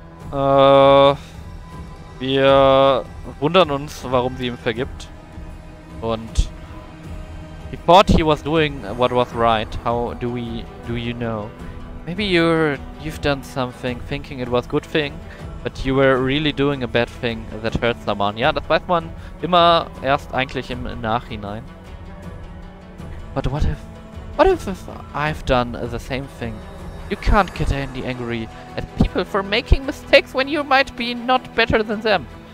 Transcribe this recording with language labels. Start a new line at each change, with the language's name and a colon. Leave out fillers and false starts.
German: Wir wundern uns, warum sie ihm vergibt. Und
English: he thought he was doing what was right. How do we, do you know? Maybe you've done something thinking it was good thing, but you were really doing a bad thing that hurt someone.
German: Ja, das weiß man immer erst eigentlich im Nachhinein.
English: But what if I've done the same thing? You can't get any angry at people for making mistakes when you might be not better than them.